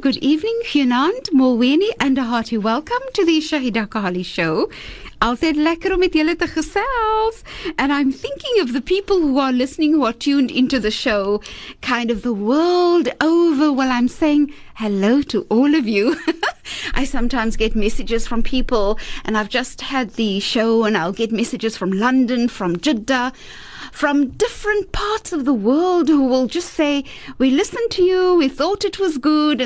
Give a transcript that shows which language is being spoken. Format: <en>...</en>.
<en>Good evening, Hunand, Mulwini, and a hearty welcome to the Shahieda Carilie Show.</en> <af>Altijd lekker om met julle te gesels.</af> <en>And I'm thinking of the people who are listening, who are tuned into the show, kind of the world over, while I'm saying hello to all of you. I sometimes get messages from people, and I've just had the show, and I'll get messages from London, from Jeddah, from different parts of the world, who will just say, we listened to you, we thought it was good.</en>